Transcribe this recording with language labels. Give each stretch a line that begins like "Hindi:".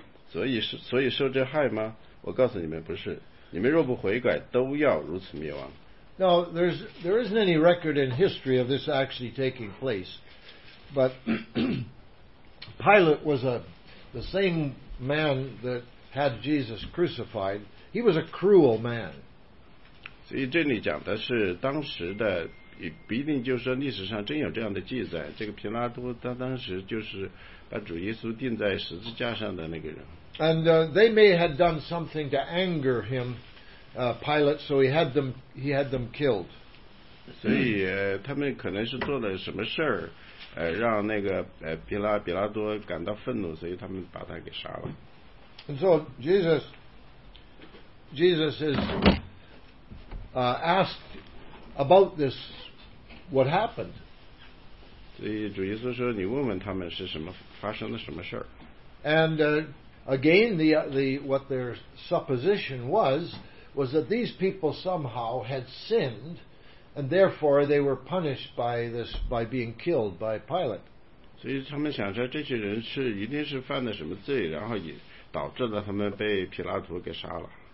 Chinese: 所以受这害吗？我告诉你们，不是。你们若不悔改，都要如此灭亡。
English: Now there isn't any record in history of this actually taking place, but Pilate was the same man that had Jesus crucified. He was a cruel man.
Chinese: 所以这里讲的是当时的，不一定就是说历史上真有这样的记载。这个皮拉多他当时就是把主耶稣钉在十字架上的那个人。
English: And they may have done something to anger him, Pilate, so he had them killed.
Chinese: 所以他们可能是做了什么事儿，让那个比拉多感到愤怒，所以他们把他给杀了。
English: And so Jesus is. Asked about this, what happened?
Chinese: 所以主耶稣说，你问问他们是什么发生了什么事儿。
English: And again, the what their supposition was that these people somehow had sinned, and therefore they were punished by this by being killed by Pilate. So they thought that these people must have committed some sin, and then caused them to be killed by Pilate.